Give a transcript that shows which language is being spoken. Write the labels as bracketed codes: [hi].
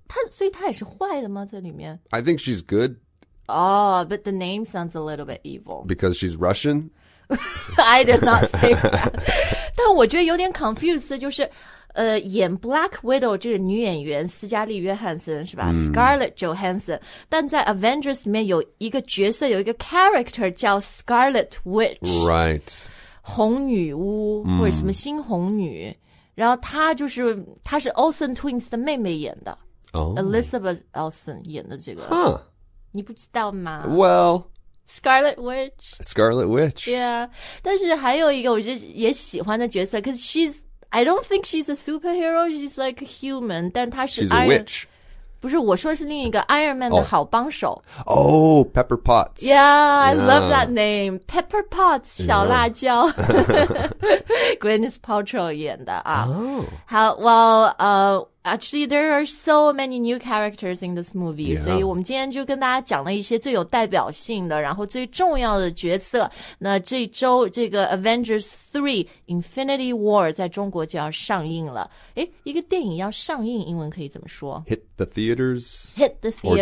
[zh] 所以她也是坏的吗在里面 [en] ?I think she's good. Oh, but the name sounds a little bit evil. Because she's Russian? I did not say that. [zh] 但我觉得有点 confused, 就是演 Black Widow 这个女演员斯嘉丽约翰森是吧、Scarlett Johansson, 但在 Avengers 里面有一个角色有一个 character 叫 Scarlet Witch. [en] Right. [zh] 红女巫、或者什么新红女。然后她是 Olsen Twins 的妹妹演的。 [en] Oh. [zh] Elizabeth Olsen 演的这个。 Huh. 你不知道吗 [en] Well, Scarlet Witch. Scarlet Witch. Yeah. [zh] 但是还有一个我就也喜欢的角色 [en] because she's, I don't think she's a superhero, she's like a human, [zh] 但她是 [en] She's a witch. [zh] 不是我说是另一个 Iron Man 的好帮手。 [en] Oh, Pepper Potts. Yeah, I love that name. Pepper Potts, 小辣椒。 [zh] Gwyneth Paltrow 演的啊。 [en] Oh. 好 well, Actually, there are so many new characters in this movie.、 Yeah. [zh] 所以我们今天就跟大家讲了一些最有代表性的，然后最重要的角色。那这周这个 Avengers 3 Infinity War 在中国就要上映了。一个电影要上映，英文可以怎么说 [en] ？Hit the theaters. Hit the theaters.